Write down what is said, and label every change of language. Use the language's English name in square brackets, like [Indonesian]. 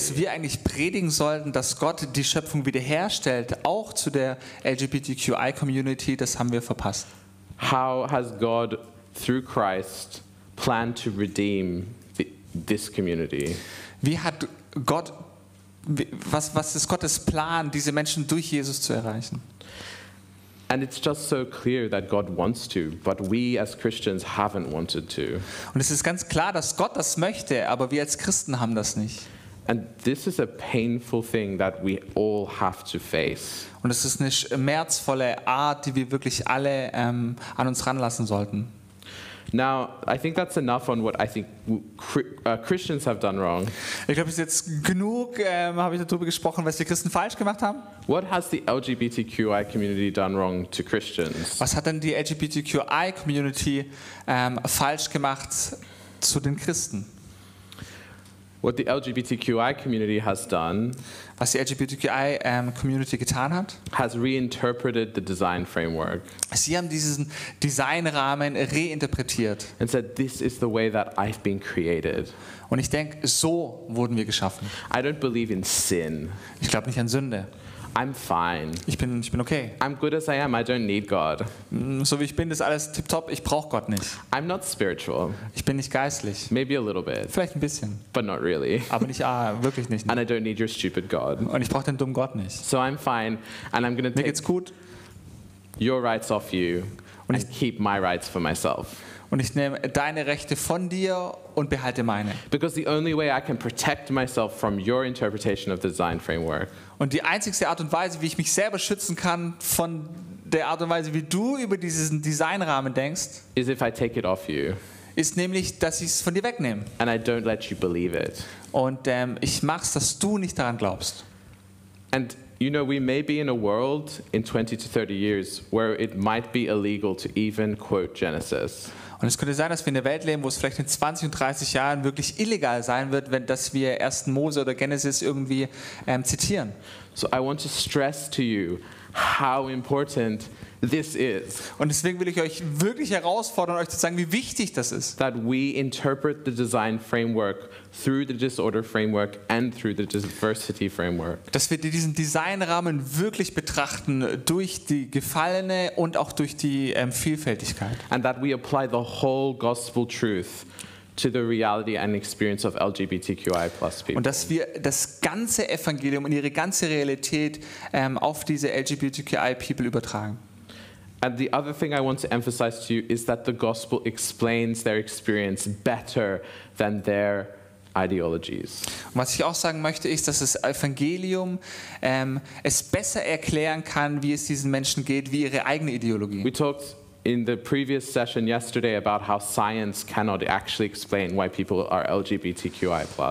[German] Dass wir eigentlich predigen sollten, dass Gott die Schöpfung wiederherstellt, auch zu der LGBTQI community, das haben wir verpasst. [English] How has God through Christ planned to redeem this community? [German] Wie hat Gott, was ist Gottes Plan, diese Menschen durch Jesus zu erreichen? [English] And it's just so clear that God wants to, but we as Christians haven't wanted to. [German] Und es ist ganz klar, dass Gott das möchte, aber wir als Christen haben das nicht. [English] And this is a painful thing that we all have to face. [German] Und es ist eine schmerzvolle Art, die wir wirklich alle an uns ranlassen sollten. [English] Now, I think that's enough on what I think Christians have done wrong. [German] Ich glaube, es ist jetzt genug, habe ich darüber gesprochen, was die Christen falsch gemacht haben. [English] What has the LGBTQI community done wrong to Christians? [German] Was hat denn die LGBTQI community falsch gemacht zu den Christen? [English] What the LGBTQI community has done, [German] was die LGBTQI community getan hat, [English] has reinterpreted the design framework. [German] Sie haben diesen Designrahmen reinterpretiert. [English] And said, this is the way that I've been created. [German] Und ich denke, so wurden wir geschaffen. [English] I don't believe in sin. [German] Ich glaube nicht an Sünde. [English] I'm fine. [German] Ich bin okay. [English] I'm good as I am. I don't need God. [German] So wie ich bin, ist alles tipptopp. Ich brauche Gott nicht. [English] I'm not spiritual. [German] Ich bin nicht geistlich. [English] Maybe a little bit. [German] Vielleicht ein bisschen. [English] But not really. [German] Aber nicht wirklich nicht. [English] And I don't need your stupid God. [German] Und ich brauche den dummen Gott nicht. [English] So I'm fine. And I'm gonna take. [German] Mir geht's gut. [English] Your rights off you. [German] Und ich [English] keep my rights for myself. [German] Und ich nehme deine Rechte von dir und behalte meine. [English] Because the only way I can protect myself from your interpretation of the design framework. [German] Und die einzigste Art und Weise, wie ich mich selber schützen kann von der Art und Weise, wie du über diesen Designrahmen denkst, [English] is if I take it off you. [German] Ist nämlich, dass ich es von dir wegnehme. [English] And I don't let you believe it. [German] Und ich mach's, dass du nicht daran glaubst. [English] And you know, we may be in a world in 20 to 30 years where it might be illegal to even quote Genesis. [German] Und es könnte sein, dass wir in einer Welt leben, wo es vielleicht in 20 und 30 Jahren wirklich illegal sein wird, wenn dass wir 1. Mose oder Genesis irgendwie zitieren. [English] So I want to stress to you how important this is. [German] Und deswegen will ich euch wirklich herausfordern, euch zu zeigen, wie wichtig das ist. [English] That we interpret the design framework through the disorder framework and through the diversity framework. [German] Dass wir diesen Designrahmen wirklich betrachten durch die Gefallene und auch durch die Vielfältigkeit. [English] And that we apply the whole gospel truth to the reality and experience of LGBTQI plus people. [German] Und dass wir das ganze Evangelium und ihre ganze Realität auf diese LGBTQI people übertragen. [English] And the other thing I want to emphasize to you is that the gospel explains their experience better than their ideologies. [German] Und was ich auch sagen möchte, ist, dass das Evangelium es besser erklären kann, wie es diesen Menschen geht, wie ihre eigene Ideologie. [English] We talked in the previous session yesterday about how science cannot actually explain why people are LGBTQI+.